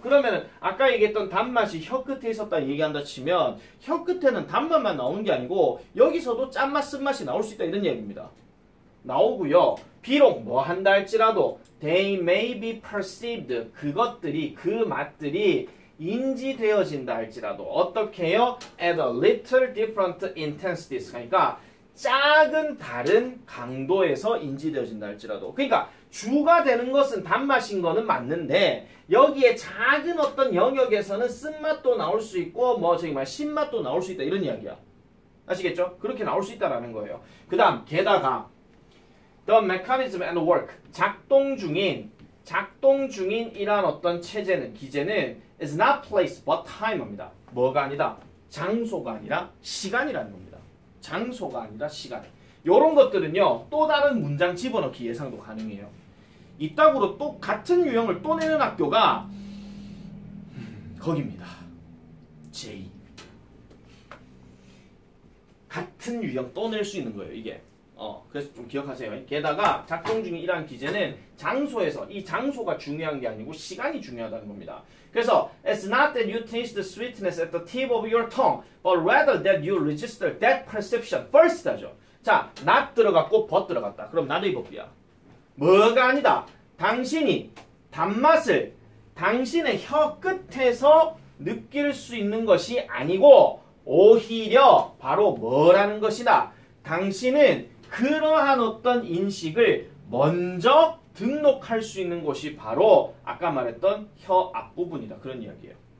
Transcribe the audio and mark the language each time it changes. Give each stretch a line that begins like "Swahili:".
Korean: 그러면 아까 얘기했던 단맛이 혀 끝에 있었다는 얘기한다 치면 혀 끝에는 단맛만 나오는 게 아니고 여기서도 짠맛, 쓴맛이 나올 수 있다 이런 얘기입니다. 나오고요. 비록 뭐 한다 할지라도
English: they may be perceived,
Korean: 그것들이, 그 맛들이 인지되어진다 할지라도 어떻게요?
English: At a little different intensities.
Korean: 그러니까 작은 다른 강도에서 인지되어진다 할지라도. 그러니까 주가 되는 것은 단맛인 거는 맞는데 여기에 작은 어떤 영역에서는 쓴맛도 나올 수 있고 뭐 저기 말 신맛도 나올 수 있다 이런 이야기야. 아시겠죠? 그렇게 나올 수 있다라는 거예요. 그다음 게다가
English: the mechanism and work,
Korean: 작동 중인 이러한 어떤 체제는, 기제는
English: is not place but time
Korean: 입니다. 뭐가 아니다? 장소가 아니라 시간이라는 겁니다. 장소가 아니라 시간. 이런 것들은요 또 다른 문장 집어넣기 예상도 가능해요. 이따구로 또 같은 유형을 또 내는 학교가 거기입니다. J. 같은 유형 또 낼 수 있는 거예요 이게. 그래서 좀 기억하세요. 게다가 작동 중인 이러한 기제는 장소에서, 이 장소가 중요한 게 아니고 시간이 중요하다는 겁니다. 그래서
English: It's not that you taste the sweetness at the tip of your tongue, but rather that you register that perception first
Korean: 하죠. 자, not 들어갔고 but 들어갔다. 그럼 not의 법이야. 뭐가 아니다. 당신이 단맛을 당신의 혀 끝에서 느낄 수 있는 것이 아니고 오히려 바로 뭐라는 것이다. 당신은 그러한 어떤 인식을 먼저 등록할 수 있는 곳이 바로 아까 말했던 혀 앞부분이다. 그런 이야기예요.